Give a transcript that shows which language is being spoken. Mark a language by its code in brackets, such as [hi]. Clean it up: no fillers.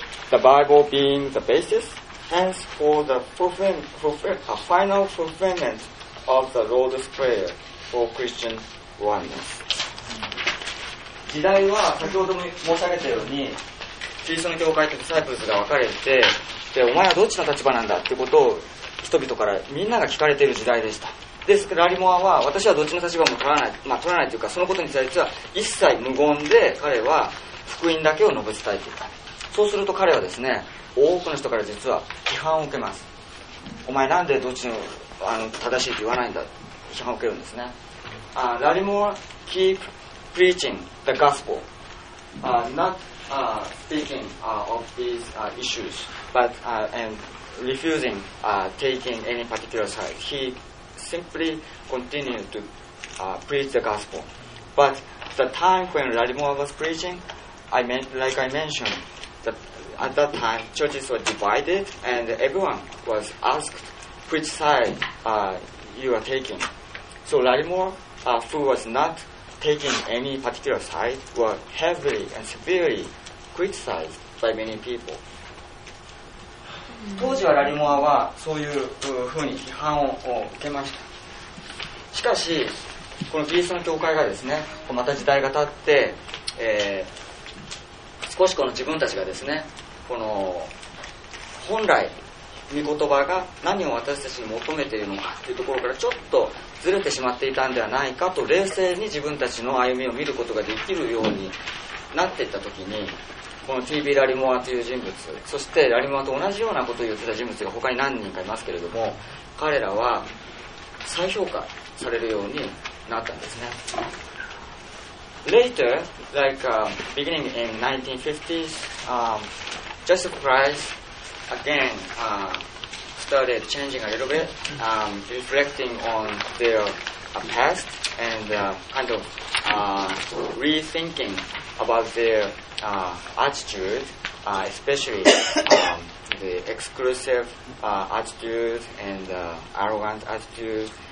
[en] The Bible being the basis, hence for the final fulfillment of the Lord's Prayer for Christian oneness. [ja] 時代は先ほども申し上げたようにキリストの教会とディサイプルズが分かれて、でお前はどっちの立場なんだってことを人々からみんなが聞かれている時代でした。ですからラリモアは私はどっちの立場も取らない、まあ、取らないというかそのことについては一切無言で彼は福音だけを述べ伝えていた。そうすると彼はですね多くの人から実は批判を受けます。お前なんでどっちの、正しいと言わないんだ、批判を受けるんですね。 [en] ラリモア keep preaching the gospel、not speaking of these issues but and refusing taking any particular side. He simply continued to preach the gospel. But the time when Lalimoa was preaching, like I mentioned, that at that time churches were divided and everyone was asked which side you are taking. So Lalimoa, who was not taking any particular side, was heavily and severely criticized by many people. [ja] 当時はラリモアはそういうふうに批判を受けました。しかしこのキリストの教会がですねまた時代が経って、少しこの自分たちがですねこの本来御言葉が何を私たちに求めているのかというところからちょっとずれてしまっていたんではないかと冷静に自分たちの歩みを見ることができるようになっていった時にこの T.B. ラリモアという人物、そしてラリモアと同じようなことを言ってた人物が他に何人かいますけれども、彼らは再評価されるようになったんですね。 [en] Later, like beginning in 1950s, Joseph Price again started changing a little bit, reflecting on their past and kind of rethinking about their attitude, especially the exclusive attitude and arrogant attitude.